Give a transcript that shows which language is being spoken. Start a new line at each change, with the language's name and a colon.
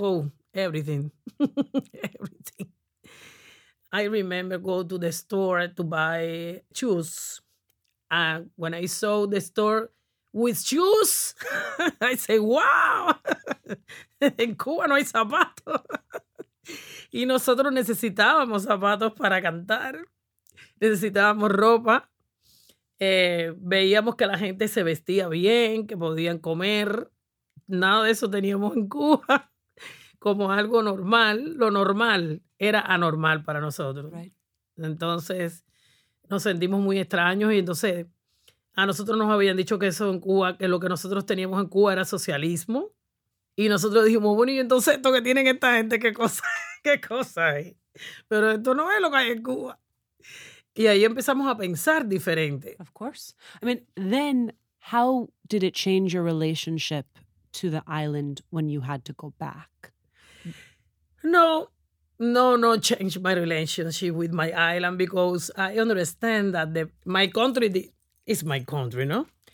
English: Oh, everything. Everything. I remember go to the store to buy shoes. And when I saw the store with shoes, I say, wow.
Spanish: en Cuba no hay zapatos. Y nosotros necesitábamos zapatos para cantar, necesitábamos ropa. Veíamos que la gente se vestía bien, que podían comer. Nada de eso teníamos en Cuba como algo normal. Lo normal era anormal para nosotros. Right. Entonces nos sentimos muy extraños y entonces a nosotros nos habían dicho que eso en Cuba, que lo que nosotros teníamos en Cuba era socialismo. Y nosotros dijimos, bueno, y entonces esto que tienen esta gente, ¿qué cosa es? Pero esto no es lo que hay en Cuba. Y ahí empezamos a pensar diferente.
English: Of course. I mean, then how did it change your relationship to the island when you had to go back? No change my relationship with my island because I understand that my country is my country, no?